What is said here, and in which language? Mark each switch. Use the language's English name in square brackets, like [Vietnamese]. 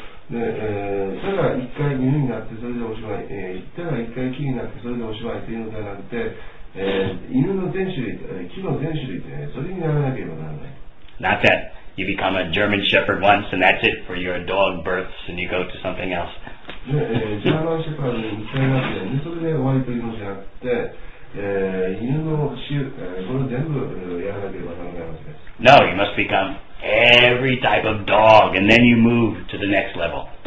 [Japanese] でただ一回犬になってそれでおしまい、ただ一回木になってそれでおしまいというのではなくて、犬の全種類、木の全種類で、それにならなければならない。 [English] Not that you become a German Shepherd once and that's it for your dog births and you go to something else. [Japanese] ジャーマンシェパードに一回なって、ね、それで終わりというのじゃなくて、犬の種、これ全部やらなければならないわけです。 [English] No, you must becomeEvery type of dog, and then you move to the next level.